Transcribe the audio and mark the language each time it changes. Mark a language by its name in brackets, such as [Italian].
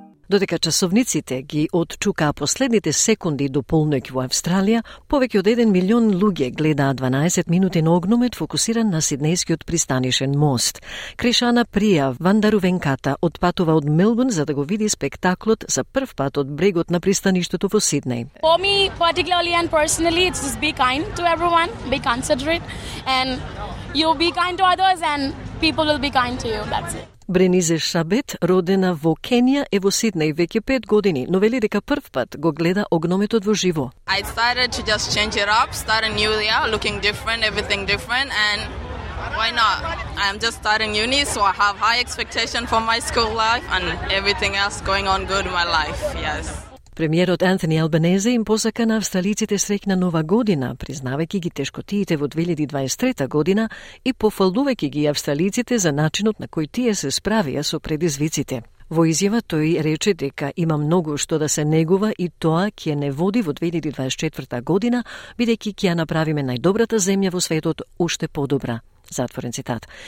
[Macedonian] Додека часовниците ги отчукаа последните секунди до полноќ во Австралија, повеќе од 1 милион луѓе гледаа 12 минутен огномет фокусиран на Сиднејскиот пристанишен мост. Кришана Прија Вандарувенката отпатува од Мелбурн за да го види спектаклот за прв пат од брегот на пристаништето во Сиднеј. [English] For me particularly and personally, it's just be kind to everyone, be considerate and you'll be kind to others and people will be kind to you. That's it. [Macedonian] Бренизе Шабет, родена во Кенија, е во Сиднеј веќе 5 години, но вели дека првпат го гледа огнометот во живо. [English] I started to just change it up, start a new year, looking different, everything different, and why not? I'm just starting uni, so I have high expectation for my school life and everything else going on good in my life, yes. [Macedonian] Премиерот Антони Албанезе им посака на австралиците среќна нова година, признавајќи ги тешкотиите во 2023 година и пофалувајќи ги австралиците за начинот на кој тие се справија со предизвиците. Во изјава тој рече дека има многу што да се негува и тоа ќе не води во 2024 година, бидејќи ќе направиме најдобрата земја во светот уште подобра. Затворен цитат.